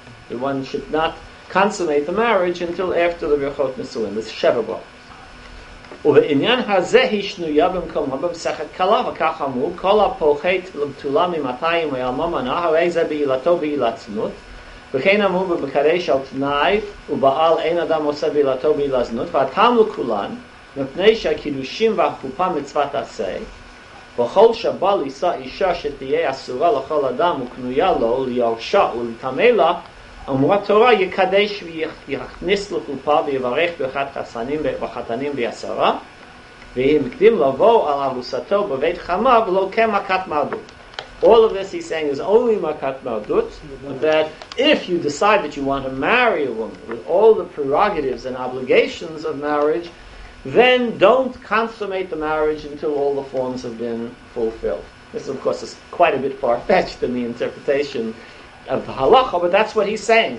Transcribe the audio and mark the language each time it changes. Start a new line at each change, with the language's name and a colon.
English: One should not consummate the marriage until after the Birchot Nisuin. This is Sheva Brach.
Hebrew: ובעניין הזה היא שנויה במקום רב במסכת קלה, וכך אמרו, כל הפוחת לבטולה ממתיים ויאלמנה, הרי זה בעילתו בעילתנות, וכן אמרו במקדש על תנאי, ובעל אין אדם עושה בעילתו בעילתנות, והטעם לכולן, מפני שהקידושים והחופה מצוות עשה, וכל שבל יישא אישה שתהיה אסורה לכל אדם וקנויה לו, ליורשה ולטמא לה, אמרה תורה יקדש ויכניס לחופה ויברך ברכת חסנים וחתנים ויסרה והיא מקדים לבוא על ארוסתו בבית חמה ולא כמכת מרדות.
English: All of this he's saying is only מכת מרדות, that if you decide that you want to marry a woman with all the prerogatives and obligations of marriage, then don't consummate the marriage until all the forms have been fulfilled. This of course is quite a bit far-fetched in the interpretation of the halacha, but that's what he's saying.